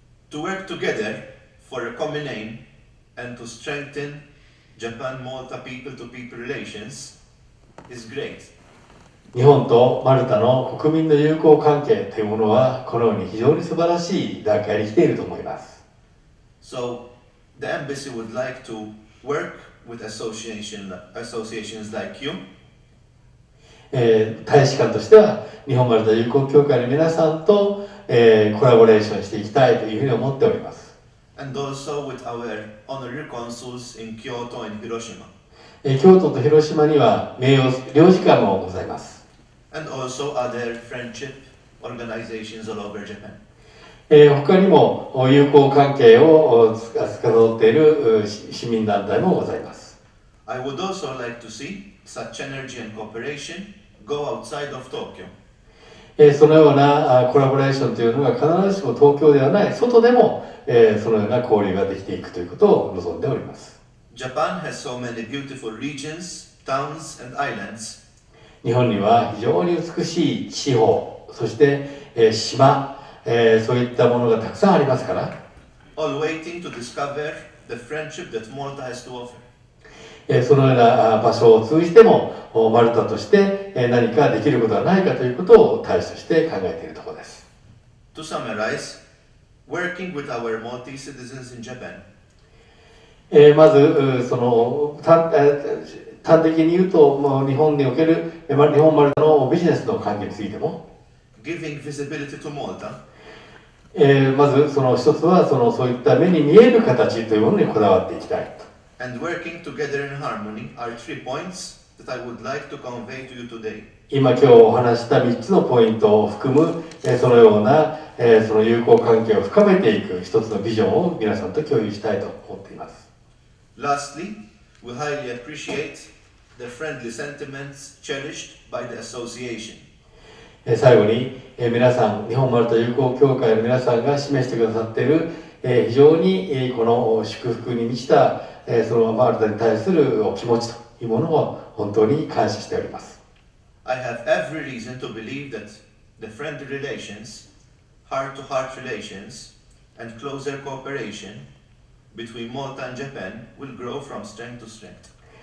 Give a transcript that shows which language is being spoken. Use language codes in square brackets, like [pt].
[en] To work together for a common aim and to strengthen Japan-Malta people-to-people relations is great. [ja] 日本とマルタの国民の友好関係というものはこのように非常に素晴らしい段階に来ていると思います。 [en] So, the embassy would like to work with associations like you. [ja] 大使館としては日本マルタ友好協会の皆さんとコラボレーションしていきたいというふうに思っております。 [en] And also with our honorary consuls in Kyoto and Hiroshima. [ja] 京都と広島には名誉領事館もございます。 [en] And also other friendship organizations all over Japan. [ja] 他にも友好関係を司っている市民団体もございます。 [en] I would also like to see such energy and cooperation go outside of Tokyo. [ja] そのようなコラボレーションというのが必ずしも東京ではない外でも、そのような交流ができていくということを望んでおります。 [en] Japan has so many beautiful regions, towns and islands. [ja] 日本には非常に美しい地方、そして、島、そういったものがたくさんありますから、 [en] All waiting to discover the friendship that Malta has to offer. [ja] そのような場所を通じてもマルタとして何かできることはないかということを大使として考えているところです。 [en] To summarize, working with our multi-citizens in Japan. [ja] まずその端的に言うと、もう日本における日本マルタのビジネスの関係についても。 [en] Giving visibility to Malta. [ja] まずその一つはそういった目に見える形というものにこだわっていきたいと。 [en] And working together in harmony are three points that I would like to convey to you today. [ja] 今今日お話した3つのポイントを含む、そのような、その友好関係を深めていく一つのビジョンを皆さんと共有したいと思っています。 [en] Lastly, we highly appreciate the friendly sentiments cherished by the association. [ja] 最後に、皆さん、日本マルタ友好協会の皆さんが示してくださっている、非常に、この祝福に満ちた、そのマルタに対するお気持ちというものを本当に感謝しております。 [en] I have every reason to believe that the friendly relations, heart-to-heart relations, and closer cooperation between Malta and Japan will grow from strength to strength.